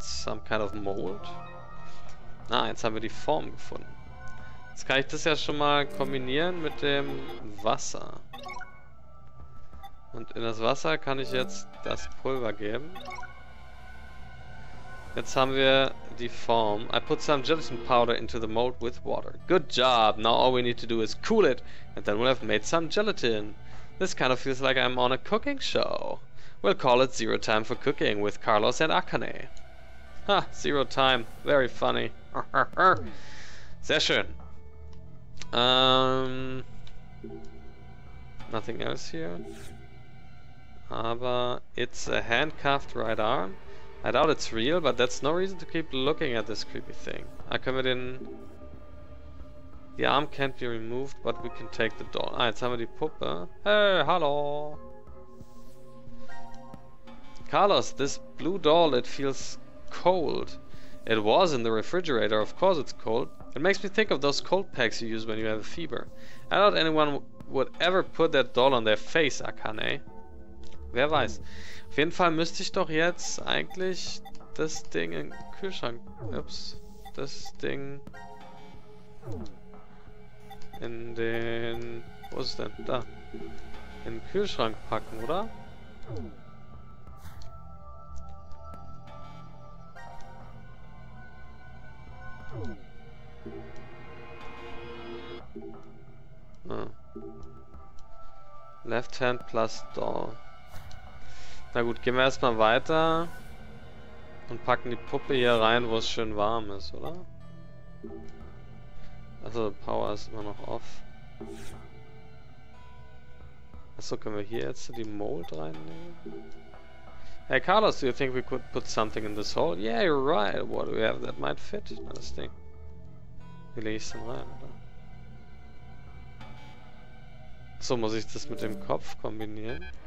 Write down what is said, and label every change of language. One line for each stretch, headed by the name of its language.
English: Some kind of mold.
German: Ah, jetzt haben wir die Form gefunden. Jetzt kann ich das ja schon mal kombinieren mit dem Wasser. Und in das Wasser kann ich jetzt das Pulver geben. Jetzt haben wir die Form.
English: I put some gelatin powder into the mold with water. Good job! Now all we need to do is cool it, and then we'll have made some gelatin. This kind of feels like I'm on a cooking show. We'll call it Zero Time for Cooking with Carlos and Akane. Ha! Zero Time. Very funny.
German: Sehr schön.
English: Nothing else here. Aber it's a handcuffed right arm. I doubt it's real, but that's no reason to keep looking at this creepy thing.
German: Ah, können wir den...
English: The arm can't be removed, but we can take the doll.
German: Ah, jetzt haben wir die Puppe. Hey, hallo!
English: Carlos, this blue doll, it feels cold. It was in the refrigerator, of course it's cold. It makes me think of those cold packs you use when you have a fever. I doubt anyone would ever put that doll on their face, Akane.
German: Wer weiß. Auf jeden Fall müsste ich doch jetzt eigentlich das Ding in den Kühlschrank... Ups. Das Ding... In den... Wo ist es denn? Da. In den Kühlschrank packen, oder?
English: Left Hand plus Doll.
German: Na gut, gehen wir erstmal weiter und packen die Puppe hier rein, wo es schön warm ist, oder? Also, Power ist immer noch off. Achso, können wir hier jetzt die Mold reinnehmen?
English: Hey Carlos, do you think we could put something in this hole? Yeah, you're right. What do we have that might fit?
German: Na, das Ding. Wie lege ich es denn rein, oder? So, muss ich das mit dem Kopf kombinieren?